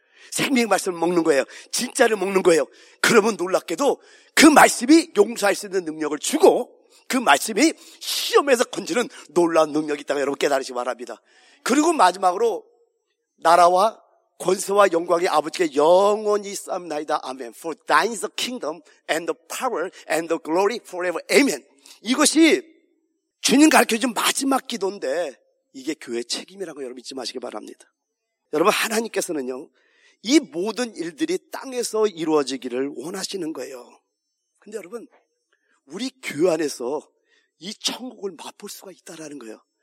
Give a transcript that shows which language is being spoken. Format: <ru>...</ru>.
<ko>생명의 말씀을 먹는 거예요. 진짜를 먹는 거예요. 그러면 놀랍게도 그 말씀이 용서할 수 있는 능력을 주고 그 말씀이 시험에서 건지는 놀라운 능력이 있다고 여러분 깨달으시기 바랍니다. 그리고 마지막으로 나라와 권세와 영광이 아버지께 영원히 쌓나이다. 아멘.</ko> <en>For thine is the kingdom and the power and the glory forever.</en> <ko>아멘. 이것이 주님 가르쳐준 마지막 기도인데 이게 교회 책임이라고 여러분 잊지 마시기 바랍니다. 여러분 하나님께서는요 이 모든 일들이 땅에서 이루어지기를 원하시는 거예요. 근데 여러분 우리 교회 안에서 이 천국을 맛볼 수가 있다라는 거예요.</ko>